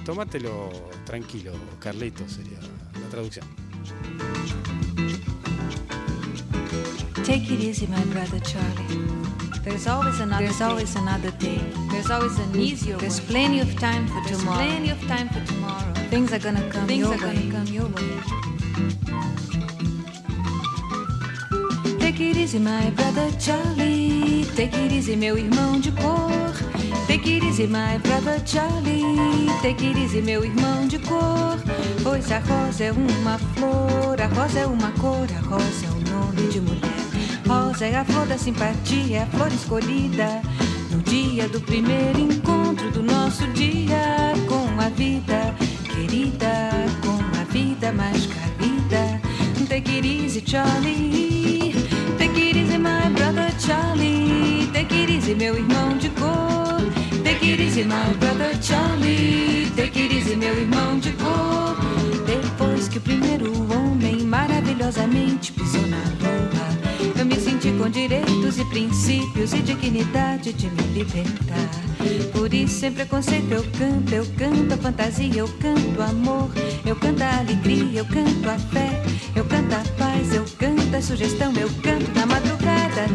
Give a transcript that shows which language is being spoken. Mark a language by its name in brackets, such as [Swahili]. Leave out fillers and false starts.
[Spanish] Tómatelo tranquilo, Carlito, sería la traducción. [English] Take it easy, my brother Charlie. There's always another day. There's always an easier way. There's plenty of time for tomorrow. Things are gonna come your way. Take it easy, my brother Charlie. Take it easy, [Portuguese] meu irmão de cor. [English] Take Take it easy, my brother Charlie. Take it easy, [Portuguese] meu irmão de cor. Pois a rosa é uma flor, a rosa é uma cor, a rosa é o nome de mulher. Rosa é a flor da simpatia, a flor escolhida no dia do primeiro encontro do nosso dia com a vida querida, com a vida mais querida. [English] Take it easy, Charlie. Take it easy, my brother Charlie. Take it easy, [Portuguese] meu irmão de cor. [English] Take it easy, my brother Charlie. Take it easy, [Portuguese] meu irmão de cor. Depois que o primeiro homem maravilhosamente pisou na lua, eu me senti com direitos e princípios e dignidade de me libertar. Por isso sem preconceito eu canto a fantasia, eu canto amor, eu canto a alegria, eu canto a fé, eu canto a paz, eu canto a sugestão, eu canto na madrugada.